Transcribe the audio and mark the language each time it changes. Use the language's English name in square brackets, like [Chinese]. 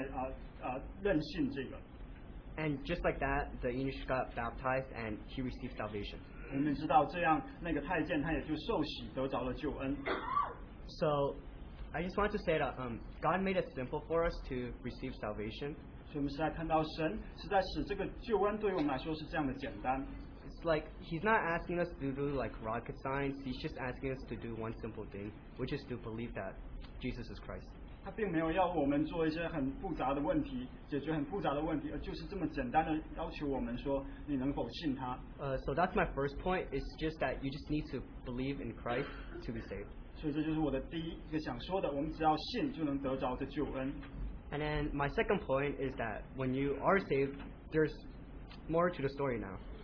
[Chinese] 腓力就回答说你只要相信耶稣是主在你的心里你也认信这个 [English] And just like that, the eunuch got baptized and he received salvation. [Chinese] 我们知道这样那个太监他也就受洗得着了救恩 [English] So I just want to say that God made it simple for us to receive salvation. [Chinese] 所以我们实在看到神实在使这个救恩对于我们来说是这样的简单 [English] It's like he's not asking us to do like rocket science. He's just asking us to do one simple thing, which is to believe that Jesus is Christ. [Chinese] 他并没有要我们做一些很复杂的问题，解决很复杂的问题，而就是这么简单的要求我们说，你能否信他？ [English] So that's my first point. It's just that you just need to believe in Christ to be saved. [Chinese] 所以这就是我的第一个想说的，我们只要信就能得着的救恩。 [English] And then my second point is that when you are saved, there's more to the story now.